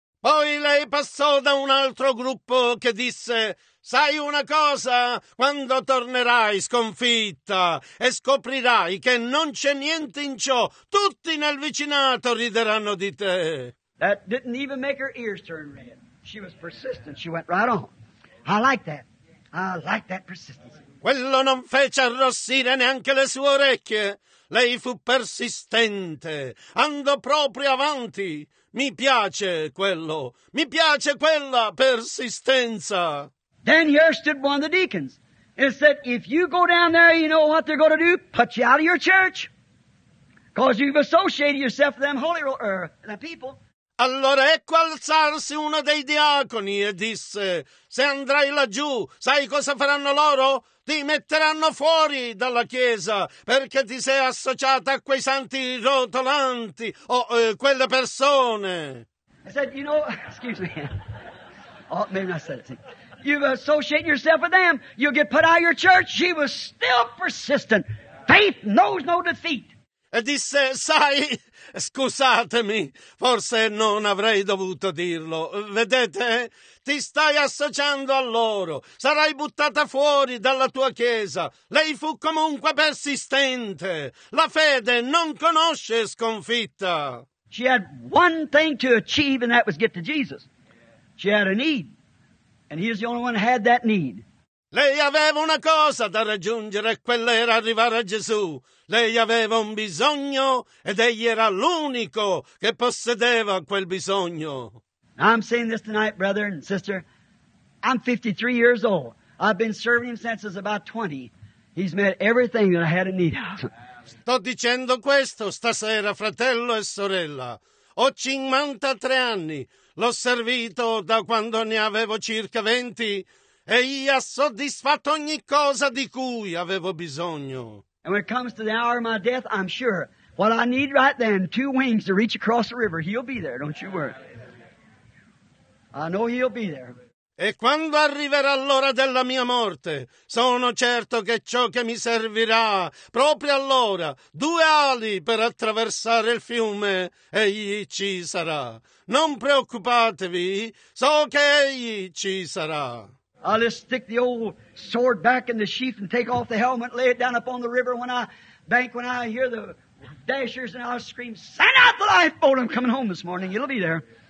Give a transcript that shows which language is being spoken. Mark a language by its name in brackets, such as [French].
[Italian] Poi lei passò da un altro gruppo che disse, sai una cosa? Quando tornerai sconfitta e scoprirai che non c'è niente in ciò, tutti nel vicinato rideranno di te. [English] That didn't even make her ears turn red. She was persistent. She went right on. I like that. I like that persistence. [Italian] Quello non fece arrossire neanche le sue orecchie. Lei fu persistente. Andò proprio avanti. Mi piace quello. Mi piace quella persistenza. [English] Then here stood one of the deacons and said, if you go down there, you know what they're going to do? Put you out of your church. Because you've associated yourself with them holy the people. [Italian] Allora ecco alzarsi uno dei diaconi e disse, se andrai laggiù, sai cosa faranno loro? Ti metteranno fuori dalla chiesa perché ti sei associata a quei santi rotolanti o quelle persone. [English] I said, you know, excuse me. Oh, maybe not said it. You associate yourself with them, you'll get put out of your church. She was still persistent. Faith knows no defeat. [Italian] E disse, sai, scusatemi, forse non avrei dovuto dirlo. Vedete, ti stai associando a loro. Sarai buttata fuori dalla tua chiesa. Lei fu comunque persistente. La fede non conosce sconfitta. [English] She had one thing to achieve, and that was get to Jesus. She had a need, and he was the only one who had that need. [Italian] Lei aveva una cosa da raggiungere, quella era arrivare a Gesù. Lei aveva un bisogno ed egli era l'unico che possedeva quel bisogno. [English] I'm saying this tonight, brother and sister. I'm 53 years old. I've been serving him since I was about 20. He's met everything that I had a need of. [Italian] Sto dicendo questo stasera, fratello e sorella. Ho 53 anni. L'ho servito da quando ne avevo circa 20. E gli ha soddisfatto ogni cosa di cui avevo bisogno. [English] And when it comes to the hour of my death, I'm sure what I need right then, two wings to reach across the river, he'll be there, don't you worry. I know he'll be there. [Italian] E quando arriverà l'ora della mia morte, sono certo che ciò che mi servirà, proprio allora, due ali per attraversare il fiume, egli ci sarà. Non preoccupatevi, so che egli ci sarà. [English] I'll just stick the old sword back in the sheath and take off the helmet, lay it down upon the river when I hear the dashers and I'll scream, send out the lifeboat, I'm coming home this morning, it'll be there.